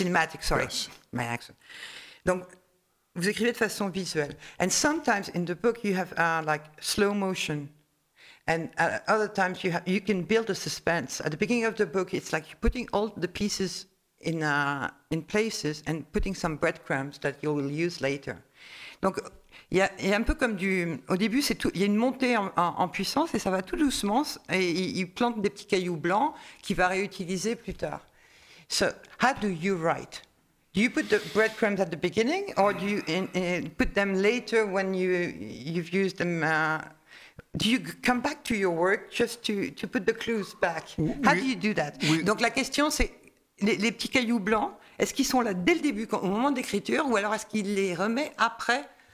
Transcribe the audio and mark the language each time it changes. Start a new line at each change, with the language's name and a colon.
English: Cinematic, sorry, yes. My accent.
French: Donc, vous écrivez de façon visuelle.
English: And sometimes in the book you have like slow motion. And other times you can build a suspense. At the beginning of the book, it's like you're putting all the pieces in places and putting some breadcrumbs that you will use later.
French: Donc, il y a un peu comme au début, c'est tout. Il y a une montée en puissance et ça va tout doucement. Et il plante des petits cailloux blancs qu'il va réutiliser plus tard.
English: So, how do you write? Do you put the breadcrumbs at the beginning, or do you put them later when you've used them? Do you come back to your work just to put the clues back? How do you do that?
French: Donc la question, c'est les petits cailloux blancs. Est-ce qu'ils sont là dès le début, au moment d'écriture, ou alors est-ce qu'il les remet après?